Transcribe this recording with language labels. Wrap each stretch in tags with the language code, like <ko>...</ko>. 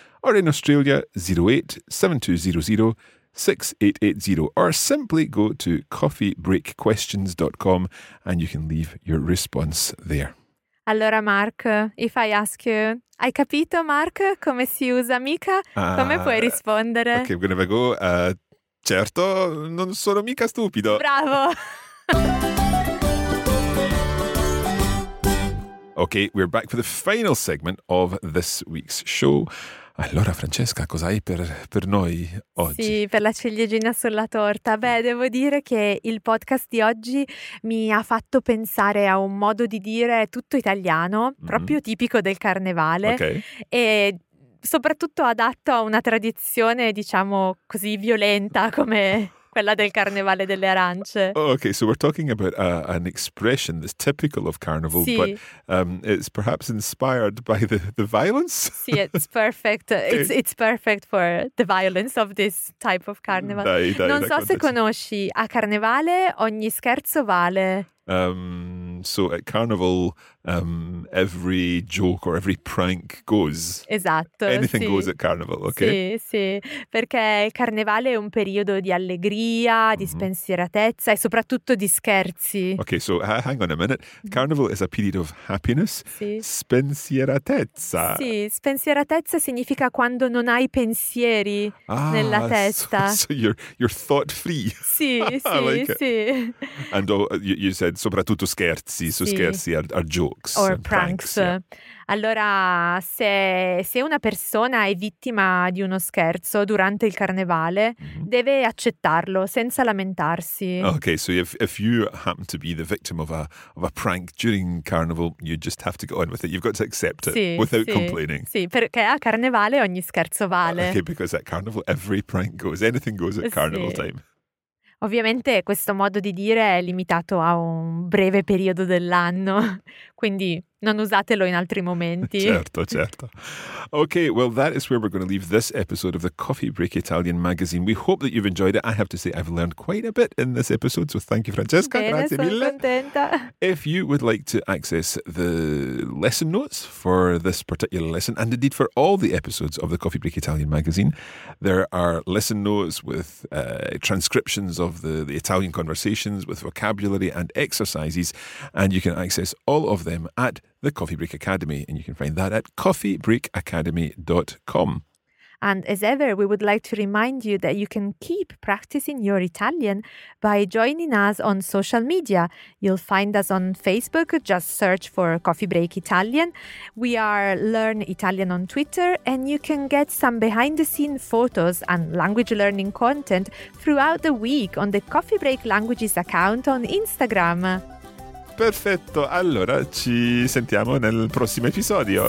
<en>Or in Australia, 08 7200 6880, or simply go to coffeebreakquestions.com and you can leave your response there.</en> <it>Allora, Mark,</it> <en>if I ask you,</en> <it>hai capito, Mark, come si usa mica? Come puoi rispondere?</it> <en>Okay, I'm going to have a go.</en> <it>Certo, non sono mica stupido. Bravo!</it> <en>Okay, we're back for the final segment of this week's show.</en> <it>Allora, Francesca, cosa hai per noi oggi? Sì, per la ciliegina sulla torta. Beh, devo dire che il podcast di oggi mi ha fatto pensare a un modo di dire tutto italiano, mm-hmm. proprio tipico del carnevale. Okay. E soprattutto adatto a una tradizione, diciamo così, violenta come quella del carnevale delle arance.</it> <en>Oh, okay, so we're talking about an expression that's typical of carnival,</en> <it>sì.</it> <en>but it's perhaps inspired by the violence? Sì, it's perfect. Okay. It's perfect for the violence of this type of carnival.</en> <it>Dai, non so se conosci, a carnevale ogni scherzo vale.</it> <en>so at Carnival every joke or every prank goes.</en> <it>Esatto.</it> <en>Anything</en> <it>sì.</it> <en>goes at Carnival, okay?</en> <it>Sì, sì, perché il Carnevale è un periodo di allegria, mm-hmm. di spensieratezza e soprattutto di scherzi.</it> <en>Okay, so hang on a minute. Carnival is a period of happiness.</en> <it>Sì. Spensieratezza. Sì, spensieratezza significa quando non hai pensieri nella testa.</it> <en>So you're thought free. Sì, sì, like sì. And you said</en> <it>soprattutto scherzi,</it> <en>so sì. scherzi are jokes. Or pranks. Yeah.</en> <it>Allora, se una persona è vittima di uno scherzo durante il carnevale, mm-hmm. deve accettarlo senza lamentarsi.</it> <en>Okay, so if you happen to be the victim of a prank during carnival, you just have to go on with it. You've got to accept it</en> <it>sì,</it> <en>without</en> <it>sì.</it> <en>complaining.</en> <it>Sì, perché a carnevale ogni scherzo vale.</it> <en>Okay, because at carnival every prank goes, anything goes at carnival</en> <it>sì.</it> <en>time.</en> <it>Ovviamente questo modo di dire è limitato a un breve periodo dell'anno, quindi non usatelo in altri momenti. Certo, certo.</it> <en>Ok, well that is where we're going to leave this episode of the Coffee Break Italian magazine. We hope that you've enjoyed it. I have to say I've learned quite a bit in this episode, so thank you Francesca,</en> <it>bene, grazie sono mille. Contenta.</it> <en>If you would like to access the lesson notes for this particular lesson, and indeed for all the episodes of the Coffee Break Italian magazine, there are lesson notes with transcriptions of the Italian conversations with vocabulary and exercises, and you can access all of them at the Coffee Break Academy, and you can find that at coffeebreakacademy.com. And as ever, we would like to remind you that you can keep practicing your Italian by joining us on social media. You'll find us on Facebook, just search for Coffee Break Italian. We are Learn Italian on Twitter, and you can get some behind-the-scenes photos and language learning content throughout the week on the Coffee Break Languages account on Instagram.</en> <it>Perfetto, allora ci sentiamo nel prossimo episodio.</it>